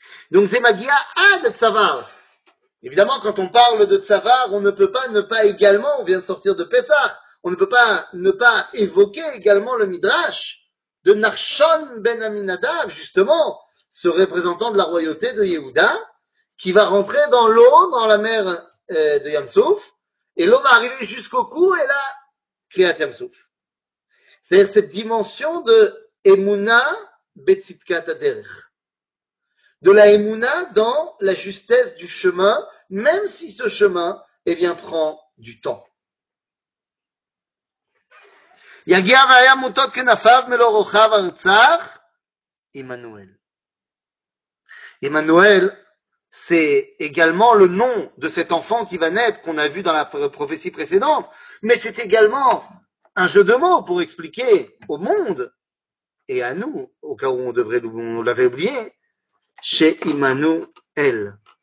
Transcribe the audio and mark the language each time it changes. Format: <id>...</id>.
<fr>Donc c'est Magia Ad Tzavar. Évidemment, quand on parle de Tzavar, on ne peut pas ne pas également, on vient de sortir de Pessah, on ne peut pas ne pas évoquer également le Midrash de Nachshon ben Aminadav, justement, ce représentant de la royauté de Yehuda, qui va rentrer dans l'eau, dans la mer de Yamsouf, et l'eau va arriver jusqu'au cou, et là, Kriyat Yamsouf. C'est cette dimension de Emouna Betzidkat Aderech. De la Emouna dans la justesse du chemin, même si ce chemin, eh bien, prend du temps.</fr> <he>יגיע והיה מוטות כנפיו מלוא רוחב ארצך, עמנואל.</he> <fr>עמנואל, c'est également le nom de cet enfant qui va naître, qu'on a vu dans la prophétie précédente, mais c'est également un jeu de mots pour expliquer au monde, et à nous, au cas où on l'avait oublié, chez Imanuel.</fr>